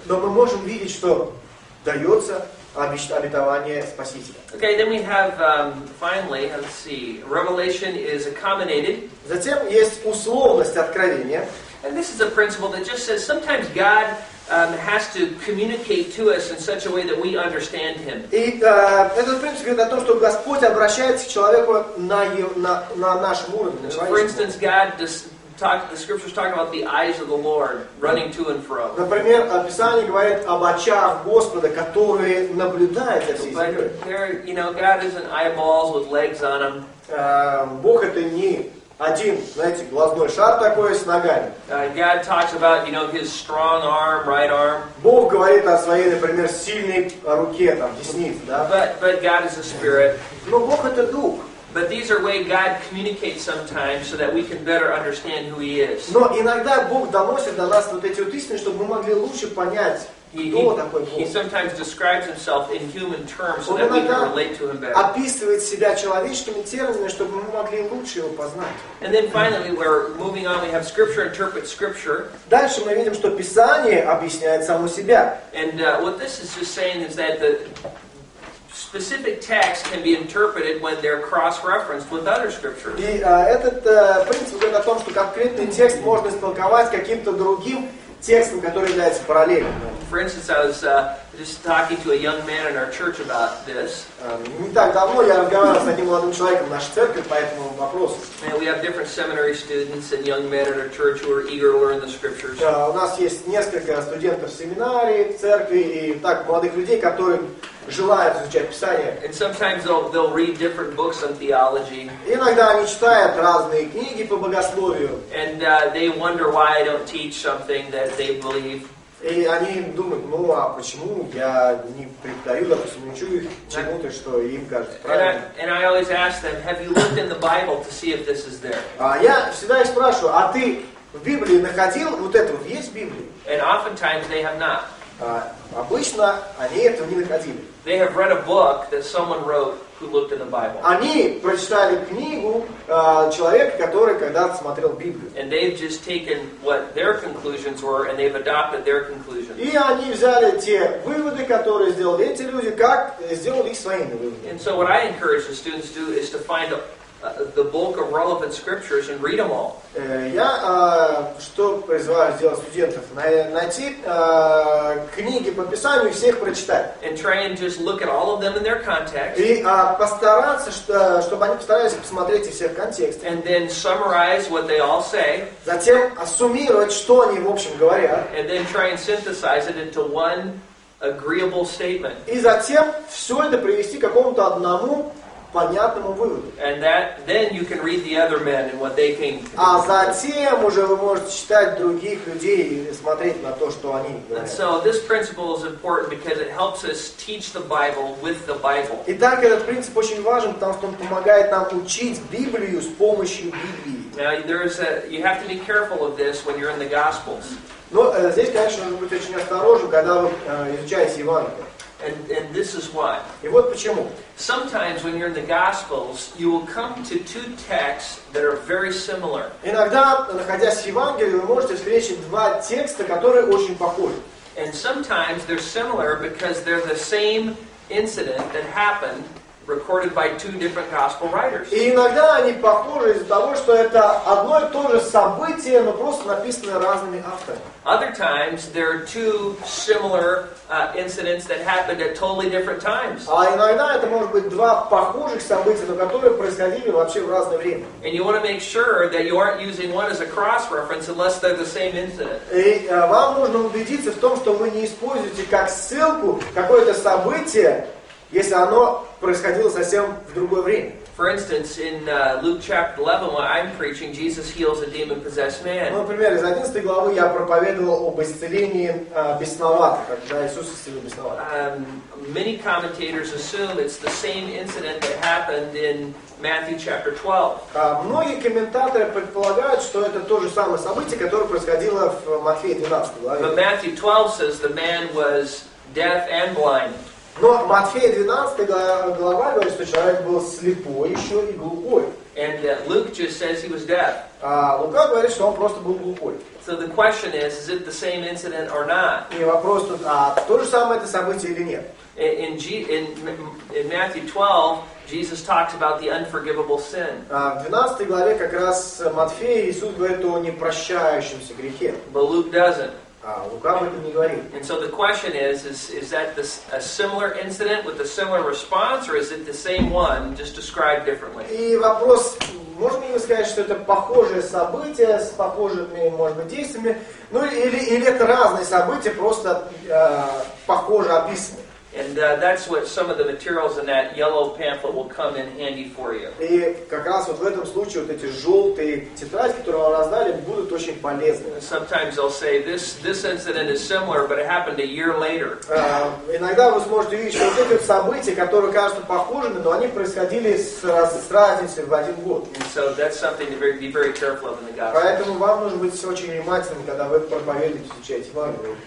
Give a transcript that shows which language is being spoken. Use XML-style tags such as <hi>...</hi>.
<ru>Но мы можем видеть, что дается обетование Спасителя.</ru> <en>Okay, then we have finally, let's see, revelation is accommodated.</en> <ru>Затем есть условность откровения.</ru> <en>And this is a principle that just says sometimes God has to communicate to us in such a way that we understand Him.</en> <ru>И этот принцип говорит о том, что Господь обращается к человеку на нашем уровне.</ru> <en>For instance, God talks. The Scriptures talk about the eyes of the Lord running to and fro.</en> <ru>Например, Писание говорит об очах Господа, которые наблюдают за всем.</ru> <en>But there, you know, God isn't eyeballs with legs on them.</en> <ru>Бог это не один, знаете, глазной шар такой с ногами.</ru> <en>God talks about, you know, his strong arm, right arm.</en> <ru>Бог говорит о своей, например, сильной руке, там, деснице, да?</ru> <en>But God is a spirit.</en> <ru>Но Бог это дух.</ru> <en>But these are ways God communicates sometimes so that we can better understand who He is.</en> <ru>Но иногда Бог доносит до нас вот эти вот истины, чтобы мы могли лучше понять.</ru> <en>He sometimes describes himself in human terms so that we can relate to him better.</en> <ru>Описывает себя человеческими терминами, чтобы мы могли лучше его познать.</ru> <en>And then finally, we're moving on. We have Scripture interprets Scripture.</en> <ru>Дальше мы видим, что Писание объясняет само себя.</ru> <en>And what this is just saying is that the specific texts can be interpreted when they're cross-referenced with other scriptures.</en> <ru>И этот принцип говорит о том, что конкретный текст можно истолковать каким-то другим текстом, который является параллельным.</ru> <en>For instance, I was just talking to a young man in our church about this.</en> <ru>Не так давно я разговаривал с одним молодым человеком в нашей церкви по этому вопросу.</ru> <en>And we have different seminary students and young men in our church who are eager to learn the scriptures.</en> <ru>У нас есть несколько студентов семинарии в церкви и так молодых людей, которые желают изучать Писание.</ru> <en>And sometimes they'll read different books on theology.</en> <ru>Иногда они читают разные книги по богословию.</ru> <en>And they wonder why I don't teach something that they believe.</en> <ru>И они думают, ну а почему я не преподаю, допустим, учу их чему-то, что им кажется правильным.</ru> <en>And I always ask them, have you looked in the Bible to see if this is there?</en> <ru>Я всегда их спрашиваю, а ты в Библии находил вот это вот, есть в Библии?</ru> <en>And oftentimes they have not.</en> <ru>Обычно они этого не находили.</ru> <en>They have read a book that someone wrote who looked in the Bible.</en> <ru>Они прочитали книгу человека, который когда-то смотрел Библию.</ru> <en>And they've just taken what their conclusions were and they've adopted their conclusions.</en> <ru>И они взяли те выводы, которые сделали эти люди, как сделали их своими выводами.</ru> <en>And so what I encourage the students to do is to find the bulk of relevant scriptures and read them all.</en> <ru>Я что призываю сделать студентов? Найти книги по Писанию и всех прочитать.</ru> <en>And try and just look at all of them in their context.</en> <ru>И постараться, чтобы они постарались посмотреть их все в контексте.</ru> <en>And then summarize what they all say.</en> <ru>Затем суммировать, что они в общем говорят.</ru> <en>And then try and synthesize it into one agreeable statement.</en> <ru>И затем все это привести к какому-то одному понятному выводу.</ru> <en>And that, then you can read the other men and what they came to.</en> <ru>А затем уже вы можете читать других людей и смотреть на то, что они говорят.</ru> <en>And so this principle is important because it helps us teach the Bible with the Bible.</en> <ru>Итак, этот принцип очень важен, потому что он помогает нам учить Библию с помощью Библии.</ru> <en>Now there is you have to be careful of this when you're in the Gospels.</en> <ru>Но здесь, конечно, нужно быть очень осторожным, когда вы изучаете Евангелие.</ru> <en>And this is why.</en> <ru>И вот почему.</ru> <en>Sometimes when you're in the Gospels, you will come to two texts that are very similar.</en> <ru>Иногда, находясь в Евангелии, вы можете встретить два текста, которые очень похожи.</ru> <en>And sometimes they're similar because they're the same incident that happened recorded by two different gospel writers.</en> <ru>И иногда они похожи из-за того, что это одно и то же событие, но просто написано разными авторами.</ru> <en>Other times there are two similar incidents that happened at totally different times.</en> <ru>А иногда это может быть два похожих события, но которые происходили вообще в разное время.</ru> <en>And you want to make sure that you aren't using one as a cross reference unless they're the same incident.</en> <ru>И вам нужно убедиться в том, что вы не используете как ссылку какое-то событие, если оно происходило совсем в другое время.</ru> <en>For instance, in Luke chapter 11, while I'm preaching, Jesus heals a demon-possessed man.</en> <ru>Ну, например, из 11 главы я проповедовал об исцелении бесноватых, когда Иисус исцелил бесноватых.</ru> <en>Many commentators assume it's the same incident that happened in Matthew chapter 12.</en> <ru>Многие комментаторы предполагают, что это то же самое событие, которое происходило в Матфея 12 главе.</ru> <en>But Matthew 12 says the man was deaf and blind.</en> <ru>Но Матфея 12 глава говорит, что человек был слепой еще и глухой.</ru> <en>And Luke just says he was deaf.</en> <ru>Лука говорит, что он просто был глухой.</ru> <en>So the question is it the same incident or not?</en> <ru>И вопрос тут, а то же самое это событие или нет?</ru> <en>In Matthew 12, Jesus talks about the unforgivable sin.</en> <ru>В 12 главе как раз Матфея Иисус говорит о непрощающемся грехе.</ru> <en>But Luke doesn't.</en> <ru>Лука об этом не говорит.</ru> <en>And so the question is that this a similar incident with a similar response, or is it the same one, just described differently?</en> <ru>И вопрос, можно ли сказать, что это похожее событие с похожими, может быть, действиями, ну или это разные события, просто похоже описаны?</ru> <en>And that's what some of the materials in that yellow pamphlet will come in handy for you.</en> <ru>И как раз вот в этом случае вот эти желтые тетради, которые вам раздали, будут очень полезны.</ru> <en>Sometimes they'll say this incident is similar, but it happened a year later.</en> <ru>Иногда вы сможете видеть, что вот эти события, которые кажутся похожими, но они происходили с разницей в один год.</ru> <en>And so that's something to be very careful of in the gospel.</en> <ru>Поэтому вам нужно быть очень внимательным, когда вы проповедуете, изучаете Евангелие.</ru>